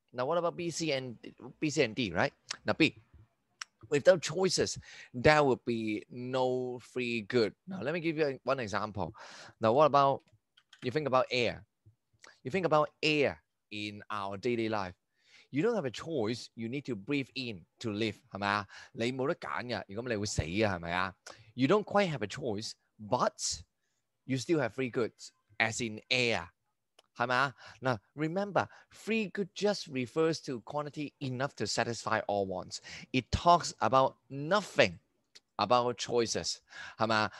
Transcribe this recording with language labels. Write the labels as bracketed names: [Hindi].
[English] Now what about B, C, and D, right? Now B. Without choices, there would be no free good. Now, let me give you one example. Now, what about, you think about air. You think about air in our daily life. You don't have a choice. You need to breathe in to live. [Chinese] 是吧? 你没得选的,如果你会死, 是吧? [English] You don't quite have a choice, but you still have free goods, as in air. [Chinese] 是吧? [English] Now, remember, free good just refers to quantity enough to satisfy all wants. It talks about nothing about choices. [Chinese] 是吧?